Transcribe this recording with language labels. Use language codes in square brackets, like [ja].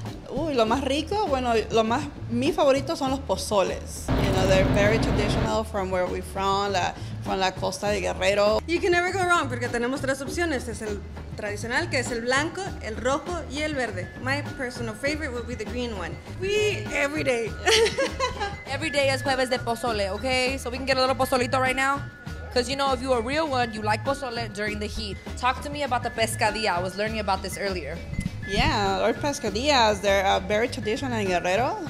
[es] Uy, lo más rico, bueno, lo más, mi favorito son los pozoles. [en] You know, they're very traditional from where we're from [es] la costa de Guerrero. [en] You can never go wrong, [es] porque tenemos tres opciones. Es el tradicional, que es el blanco, el rojo y el verde. [en] My personal favorite would be the green one. We every day. Every day is [es] jueves de pozole, [en] okay? So we can get a little pozolito right now. Because you know, if you're a real one, you like pozole during the heat. Talk to me about the pescadilla. I was learning about this earlier. Yeah, our pescadillas, they're very traditional in Guerrero.